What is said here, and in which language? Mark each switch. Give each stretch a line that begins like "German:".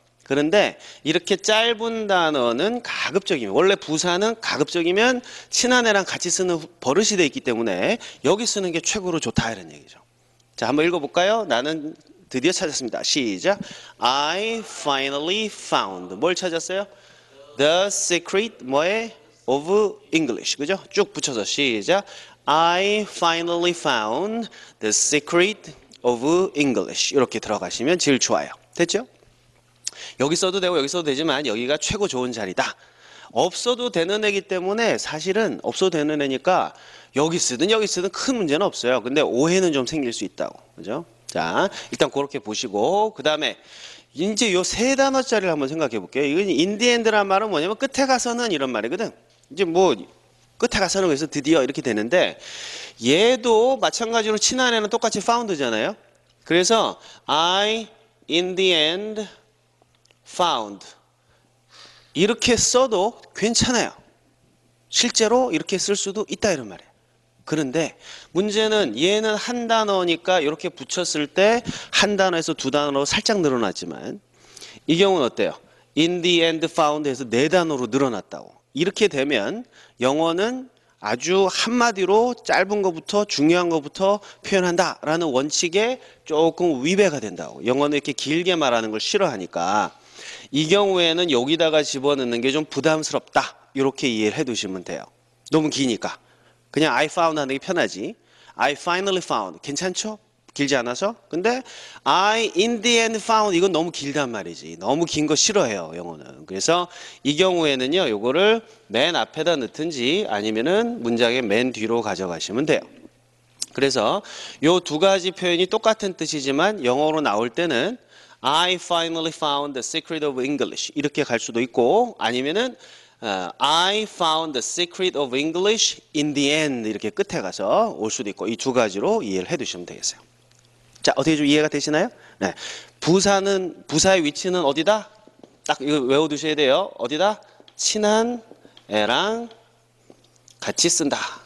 Korean: 그런데 이렇게 짧은 단어는 가급적이면 원래 부사는 가급적이면 친한 애랑 같이 쓰는 버릇이 돼 있기 때문에 여기 쓰는 게 최고로 좋다 이런 얘기죠. 자, 한번 읽어볼까요? 나는 드디어 찾았습니다.
English: 시작. I finally found.
Korean: 뭘 찾았어요?
English: The secret
Korean: 뭐에?
English: Of English.
Korean: 그죠? 쭉 붙여서 시작.
English: I finally found the secret of English.
Korean: 이렇게 들어가시면 제일 좋아요. 됐죠? 여기 써도 되고 여기 써도 되지만 여기가 최고 좋은 자리다. 없어도 되는 애기 때문에 사실은 없어도 되는 애니까 여기 쓰든 큰 문제는 없어요. 근데 오해는 좀 생길 수 있다고. 그죠? 자, 일단 그렇게 보시고 그다음에 이제 요세 단어짜리를 한번 생각해 볼게요. 이건 인디엔드란 말은 뭐냐면 끝에 가서는 이런 말이거든. 이제 뭐 끝에 가서는 그래서 드디어 이렇게 되는데 얘도 마찬가지로 친한 애는 똑같이 파운드잖아요.
English: 그래서 I in the end found.
Korean: 이렇게 써도 괜찮아요. 실제로 이렇게 쓸 수도 있다 이런 말이에요. 그런데 문제는 얘는 한 단어니까 이렇게 붙였을 때한 단어에서 두 단어로 살짝 늘어났지만 이 경우는 어때요?
English: In the end found
Korean: 해서 네 단어로 늘어났다고. 이렇게 되면 영어는 아주 한마디로 짧은 것부터 중요한 것부터 표현한다라는 원칙에 조금 위배가 된다고. 영어는 이렇게 길게 말하는 걸 싫어하니까 이 경우에는 여기다가 집어넣는 게좀 부담스럽다. 이렇게 이해를 해 두시면 돼요. 너무 기니까. 그냥
English: I found
Korean: 하는 게 편하지.
English: I finally found.
Korean: 괜찮죠? 길지 않아서?
English: 근데 I in the end found.
Korean: 이건 너무 길단 말이지. 너무 긴거 싫어해요, 영어는. 그래서 이 경우에는요, 요거를 맨 앞에다 넣든지 아니면은 문장의 맨 뒤로 가져가시면 돼요. 그래서 요두 가지 표현이 똑같은 뜻이지만 영어로 나올 때는
English: I finally found the secret of English.
Korean: 이렇게 갈 수도 있고 아니면은
English: I found the secret of English in the end.
Korean: 이렇게 끝에 가서 올 수도 있고, 이두 가지로 이해를 해 두시면 되겠어요. 자, 어떻게 좀 이해가 되시나요? 네. 부사의 위치는 어디다? 딱 이거 외워 두셔야 돼요. 어디다? 친한 애랑 같이 쓴다.